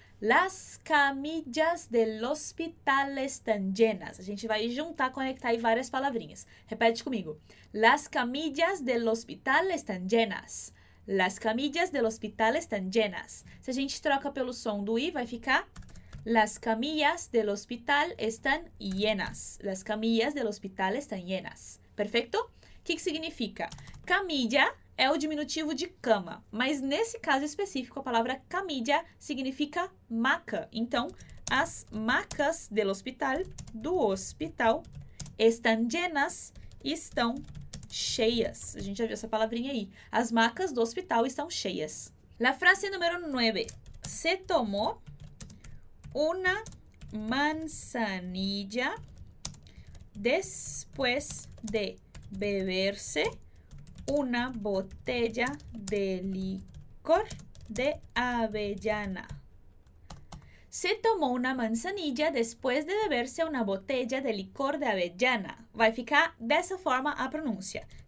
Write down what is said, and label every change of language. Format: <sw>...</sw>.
<es>Las camillas del hospital están llenas.</es> <pt>A gente vai juntar, conectar aí várias palavrinhas. Repete comigo.</pt> <es>Las camillas del hospital están llenas. Las camillas del hospital están llenas.</es> <pt>Se a gente troca pelo som do I, vai ficar...</pt> <es>Las camillas del hospital están llenas. Las camillas del hospital están llenas.</es> <pt>Perfeito? O que significa? Camilla é o diminutivo de cama. Mas nesse caso específico, a palavra camilla significa maca. Então, as macas do hospital,</pt> <es>están llenas,</es> <pt>estão cheias. A gente já viu essa palavrinha aí. As macas do hospital estão cheias.</pt> <es>La frase número 9. Se tomou una manzanilla después de beberse una botella de licor de avellana. Se tomó una manzanilla después de beberse una botella de licor de avellana.</es> <pt>Vai ficar dessa forma a pronúncia.</pt>